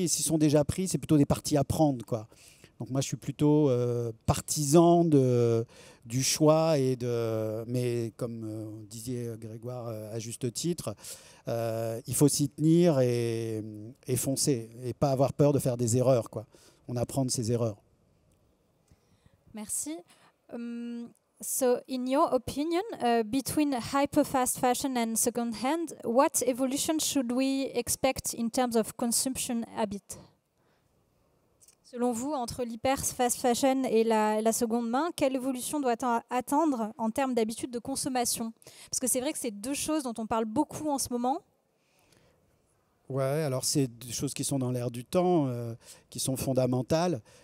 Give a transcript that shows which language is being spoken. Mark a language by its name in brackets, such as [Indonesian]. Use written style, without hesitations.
[French] Et s'ils sont déjà pris, c'est plutôt des partis à prendre, quoi. Donc moi, je suis plutôt partisan du choix. Mais comme on disait Grégoire à juste titre, il faut s'y tenir et foncer et pas avoir peur de faire des erreurs, quoi. On apprend de ses erreurs. Merci. [English] So in your opinion, between hyper fast fashion and second hand, what evolution should we expect in terms of consumption habit? [French] Selon vous, entre l'hyper fast fashion et la seconde main, quelle évolution doit-on attendre en termes d'habitude de consommation? Parce que c'est vrai que c'est deux choses dont on parle beaucoup en ce moment. Ouais, alors c'est des choses qui sont dans l'air du temps, qui sont fondamentales.